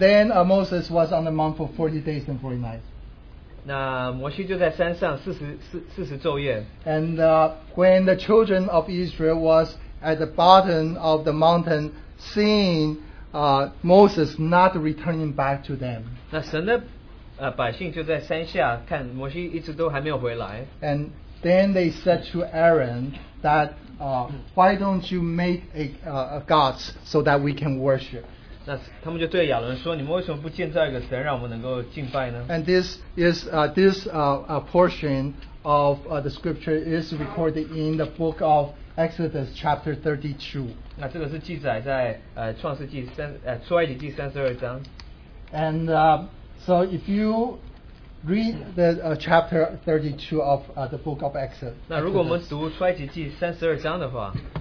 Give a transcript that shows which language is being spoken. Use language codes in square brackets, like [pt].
[en] then Moses was on the mount for 40 days and 40 nights. [zh] 那摩西就在山上四十昼夜。And [en] when the children of Israel was at the bottom of the mountain, seeing Moses not returning back to them. [zh] 那神的百姓就在山下看摩西一直都还没有回来。And [en] then they said to Aaron that why don't you make a gods so that we can worship? [zh] 那他们就对亚伦说，你们为什么不建造一个神，让我们能够敬拜呢？ [en] And this is a portion of the scripture is recorded in the book of Exodus chapter 32. [zh] 那这个是记载在创世纪三出埃及记32章。 [en] And so if you read the chapter 32 of the book of Exodus. [zh] 那如果我们读出埃及记32章的话,